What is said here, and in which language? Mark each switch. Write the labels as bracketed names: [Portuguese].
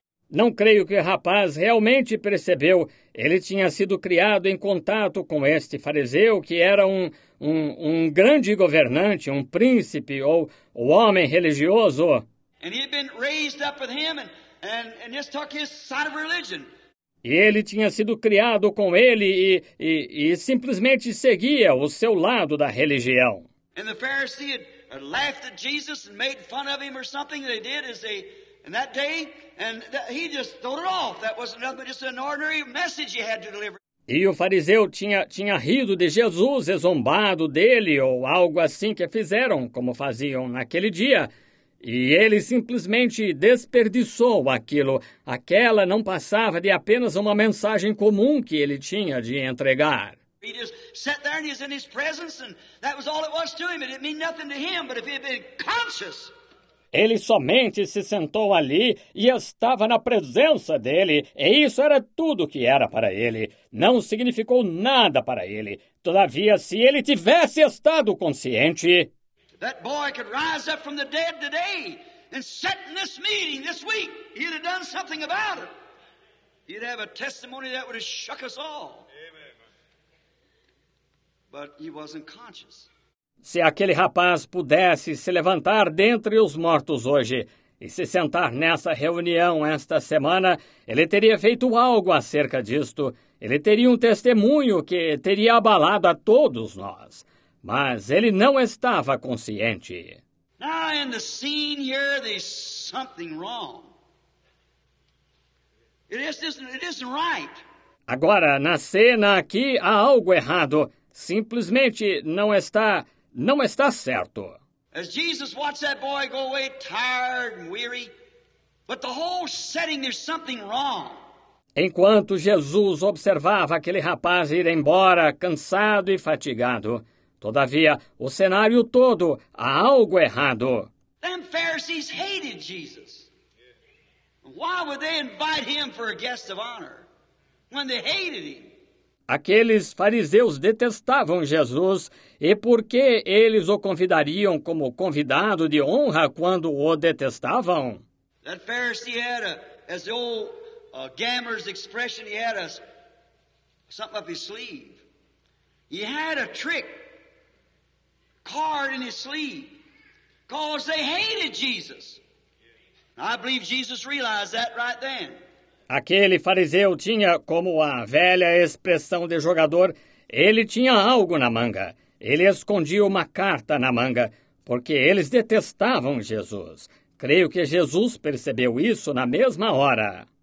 [Portuguese] Não creio que o rapaz realmente percebeu. Ele tinha sido criado em contato com este fariseu, que era um grande governante, um príncipe ou um homem religioso. [English] And he had been raised up with him and just took his side of religion. [Portuguese] E ele tinha sido criado com ele e simplesmente seguia o seu lado da religião. [English] And the Pharisee had laughed at Jesus and made fun of him or something. They did as they, in that day, and he just threw it off. That wasn't nothing but just an ordinary message he had to deliver. [Portuguese] E o fariseu tinha rido de Jesus, e zombado dele ou algo assim que fizeram, como faziam naquele dia. E ele simplesmente desperdiçou aquilo. Aquela não passava de apenas uma mensagem comum que ele tinha de entregar. [English] He just sat there and he's in his presence and that was all it was to him. It didn't mean nothing to him, but if he had been conscious. [Portuguese] Ele somente se sentou ali e estava na presença dele, e isso era tudo que era para ele. Não significou nada para ele. Todavia, se ele tivesse estado consciente, [English] that boy could rise up from the dead today and sit in this meeting this week. He'd have done something about it. He'd have a testimony that would have shook us all. Amen. But he wasn't conscious. [Portuguese] Se aquele rapaz pudesse se levantar dentre os mortos hoje e se sentar nessa reunião esta semana, ele teria feito algo acerca disto. Ele teria um testemunho que teria abalado a todos nós. Mas ele não estava consciente. [English] Now in the scene here, there's something wrong. It isn't right. [Portuguese] Agora, na cena aqui, há algo errado. Simplesmente não está certo. [English] As Jesus watched that boy go away tired and weary, but the whole setting, there's something wrong. [Portuguese] Enquanto Jesus observava aquele rapaz ir embora cansado e fatigado, todavia, o cenário todo, há algo errado. [English] Them Pharisees hated Jesus. Why would they invite him for a guest of honor when they hated him? [Portuguese] Aqueles fariseus detestavam Jesus e por que eles o convidariam como convidado de honra quando o detestavam? [English] That Pharisee had a, as the old gambler's expression, he had a, something up his sleeve. He had a trick card in his sleeve because they hated Jesus. I believe Jesus realized that right then. [Portuguese] Aquele fariseu tinha, como a velha expressão de jogador, ele tinha algo na manga. Ele escondia uma carta na manga, porque eles detestavam Jesus. Creio que Jesus percebeu isso na mesma hora.